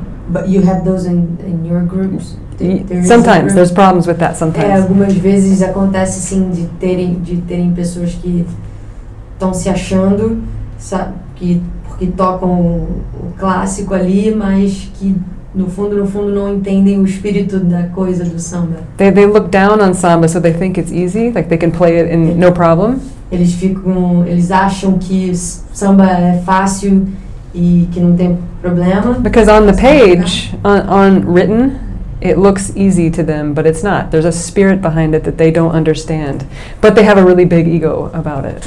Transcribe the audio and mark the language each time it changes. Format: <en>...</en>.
<en>But you have those in your groups? Sometimes, there's problems with that sometimes.</en> <pt>Algumas vezes acontece assim de terem pessoas que estão se achando, sabe, que porque tocam o clássico ali, mas que no fundo não entendem o espírito da coisa do samba.</pt> <en>They look down on samba, so they think it's easy, like they can play it in no problem.</en> <pt>Eles acham que samba é fácil e que não tem problema.</pt> <en>Because on the page, on written, it looks easy to them, but it's not. There's a spirit behind it that they don't understand, but they have a really big ego about it.</en>